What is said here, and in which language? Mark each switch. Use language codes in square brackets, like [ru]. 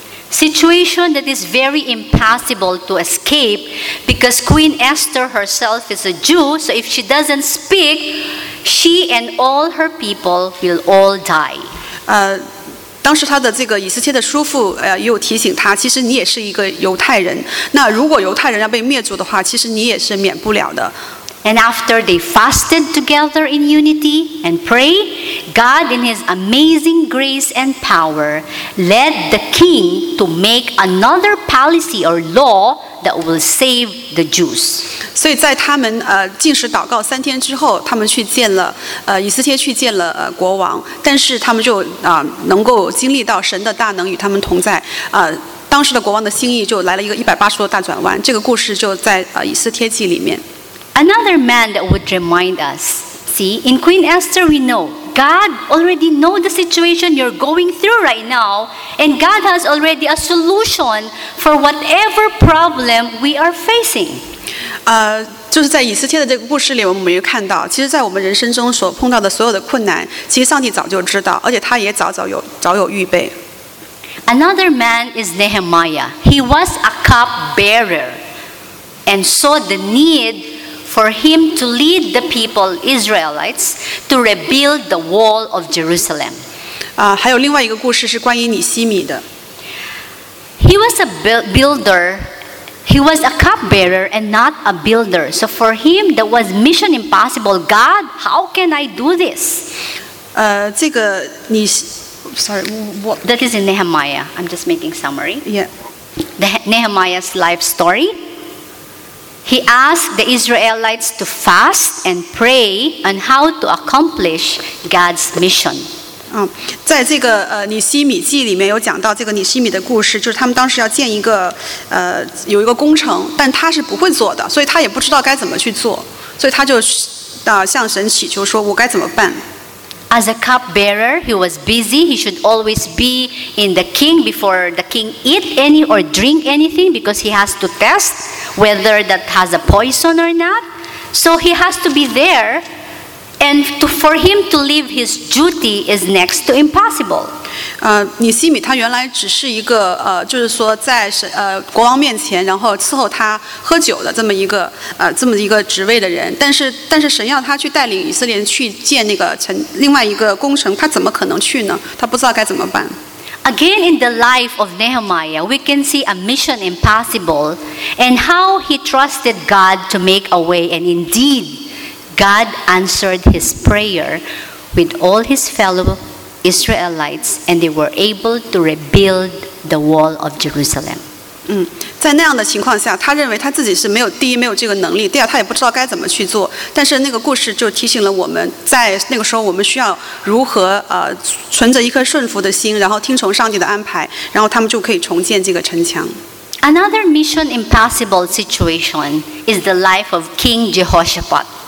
[en] Situation that is very impossible to escape because Queen Esther herself is a Jew, so if she doesn't speak, she and all her people will all die. [zh] 当时他的这个以斯帖的叔父也有提醒他，其实你也是一个犹太人，那如果犹太人要被灭族的话，其实你也是免不了的。 [en] And after they fasted together in unity and pray, God in his amazing grace and power led the king to make another policy or law that will save the Jews. [zh] 所以在他们禁食祷告三天之后，他们去见了以斯帖去见了国王，但是他们就能够经历到神的大能与他们同在，当时的国王的心意就来了一个180度大转弯，这个故事就在以斯帖记里面。 [en] Another man that would remind us, see, in Queen Esther we know God already know the situation you're going through right now, and God has already a solution for whatever problem we are facing. [zh] 就是在以斯帖的这个故事里，我们没有看到，其实在我们人生中所碰到的所有的困难，其实上帝早就知道，而且他也早有预备。 [en] Another man is Nehemiah. He was a cup bearer and saw the need for him to lead the people, Israelites, to rebuild the wall of Jerusalem. [zh] 还有另外一个故事是关于尼希米的。 [en] He was a builder. He was a cupbearer and not a builder. So for him, that was mission impossible. God, how can I do this? That is in Nehemiah. I'm just making summary. Yeah. Nehemiah's life story. He asked the Israelites to fast and pray on how to accomplish God's mission. [zh] 在这个尼希米记里面有讲到这个尼希米的故事，就是他们当时要建一个有一个工程，但他是不会做的，所以他也不知道该怎么去做，所以他就向神祈求说，我该怎么办？ [en] As a cupbearer, he was busy. He should always be in the king before the king eat any or drink anything because he has to test whether that has a poison or not. So he has to be there. And for him to leave his duty is next to impossible. [zh] 尼希米他原来只是一个就是说在国王面前然后伺候他喝酒的这么一个职位的人，但是神要他去带领以色列人去建那个另外一个工程，他怎么可能去呢？他不知道该怎么办。 [en] Again, in the life of Nehemiah, we can see a mission impossible and how he trusted God to make a way. And indeed, God answered his prayer with all his fellow Israelites, and they were able to rebuild the wall of Jerusalem. [zh] 在那样的情况下，他认为他自己是没有第一没有这个能力，第二他也不知道该怎么去做。但是那个故事就提醒了我们，在那个时候我们需要如何存着一颗顺服的心，然后听从上帝的安排，然后他们就可以重建这个城墙。 [en] Another mission impossible situation is the life of King Jehoshaphat.